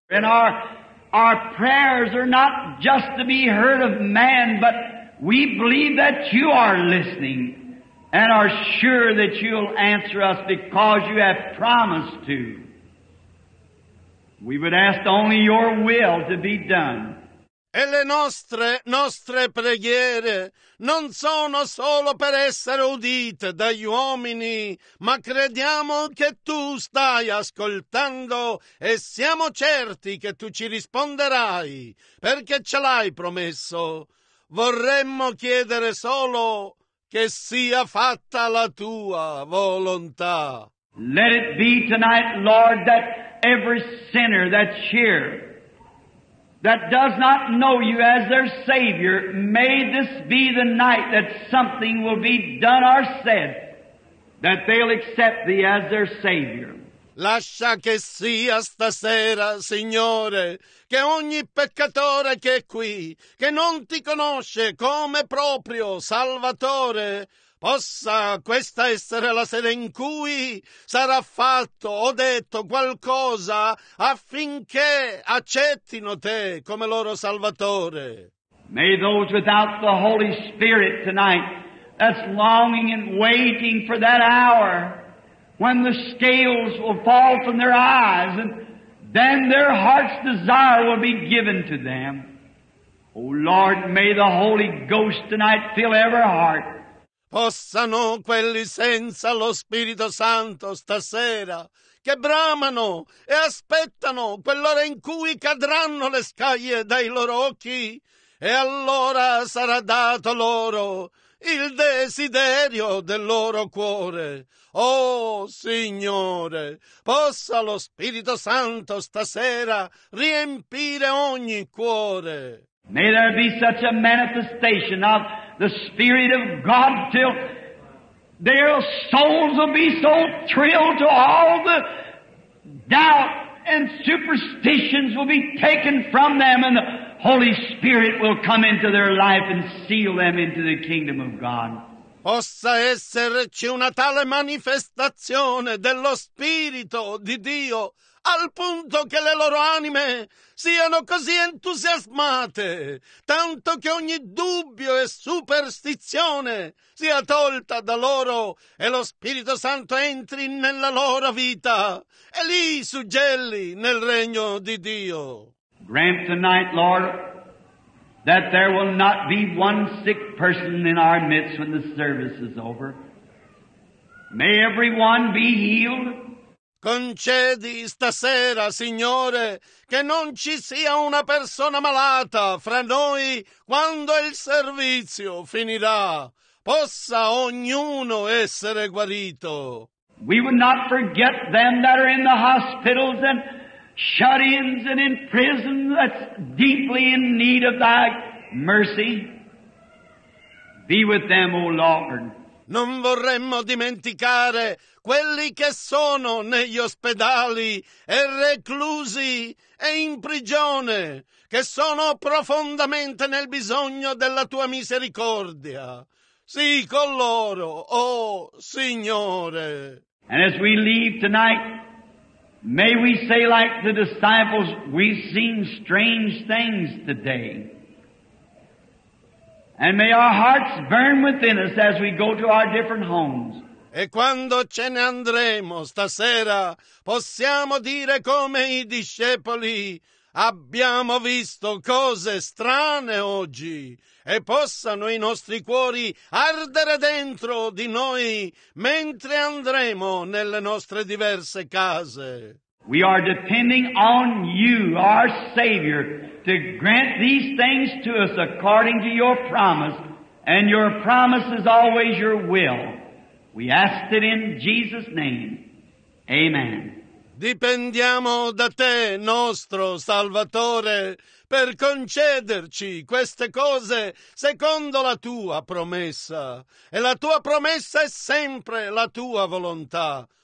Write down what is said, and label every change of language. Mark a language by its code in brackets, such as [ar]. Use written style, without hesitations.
[en] And our prayers are not just to be heard of man, but we believe that You are listening and are sure that You'll answer us because You have promised to. We would ask only Your will to be done. [it] E le nostre preghiere non sono solo per essere udite dagli uomini, ma crediamo che Tu stai ascoltando e siamo certi che Tu ci risponderai, perché ce l'hai promesso. Vorremmo chiedere solo che sia fatta la Tua volontà. [en] Let it be tonight, Lord, that every sinner that's here that does not know You as their Savior, may this be the night that something will be done or said, that they'll accept Thee as their Savior. [it] Lascia che sia stasera, Signore, che ogni peccatore che è qui, che non Ti conosce come proprio Salvatore, possa questa essere la sera in cui sarà fatto o detto qualcosa affinché accettino Te come loro Salvatore. [en] May those without the Holy Spirit tonight, that's longing and waiting for that hour when the scales will fall from their eyes and then their heart's desire will be given to them. Oh Lord, may the Holy Ghost tonight fill every heart. [it] Possano quelli senza lo Spirito Santo stasera, che bramano e aspettano quell'ora in cui cadranno le scaglie dai loro occhi, e allora sarà dato loro il desiderio del loro cuore. Oh Signore, possa lo Spirito Santo stasera riempire ogni cuore. [en] May there be such a manifestation of the Spirit of God till their souls will be so thrilled to all the doubt and superstitions will be taken from them and the Holy Spirit will come into their life and seal them into the kingdom of God. [it] possa esserci una tale manifestazione dello Spirito di Dio, al punto che le loro anime siano così entusiasmate, tanto che ogni dubbio e superstizione sia tolta da loro e lo Spirito Santo entri nella loro vita e li suggelli nel regno di Dio. [en] Grant tonight, Lord, that there will not be one sick person in our midst when the service is over. May everyone be healed. [it] Concedi stasera, Signore, che non ci sia una persona malata fra noi quando il servizio finirà. Possa ognuno essere guarito. [en] We would not forget them that are in the hospitals and shut-ins and in prison that's deeply in need of thy mercy. Be with them, O Lord. [it] Non vorremmo dimenticare quelli che sono negli ospedali e reclusi e in prigione, che sono profondamente nel bisogno della tua misericordia. Sii con loro, o Signore. [en] And as we leave tonight, may we say like the disciples, we've seen strange things today. And may our hearts burn within us as we go to our different homes. [it] E quando ce ne andremo stasera, possiamo dire come i discepoli, abbiamo visto cose strane oggi, e possano i nostri cuori ardere dentro di noi mentre andremo nelle nostre diverse case. [en] We are depending on you, our Savior, to grant these things to us according to your promise, and your promise is always your will. We ask it in Jesus' name. Amen. [it] Dipendiamo da te, nostro Salvatore, per concederci queste cose secondo la tua promessa. E la tua promessa è sempre la tua volontà.